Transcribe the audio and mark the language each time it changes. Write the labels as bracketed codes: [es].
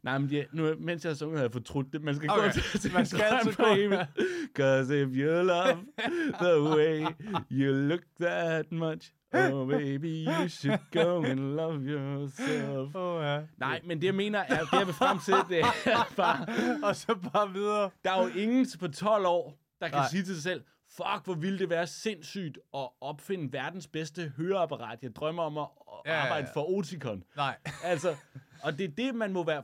[da] Nej, men ja, nu, mens jeg sunger, har jeg fortrudt det. Man skal okay. Gå til sin man skal drøm på. [en] Cause if you love the way you look that much. Oh, baby, you should go and love yourself. [da] Oh, ja. Nej, men det, jeg mener, er, det, jeg vil fremsætte, det er bare... Og så bare videre. Der er jo ingen på 12 år, der kan sige til sig selv, fuck, hvor ville det være sindssygt at opfinde verdens bedste høreapparat. Jeg drømmer om at arbejde for Oticon. Nej. Altså, og det er det, man må være...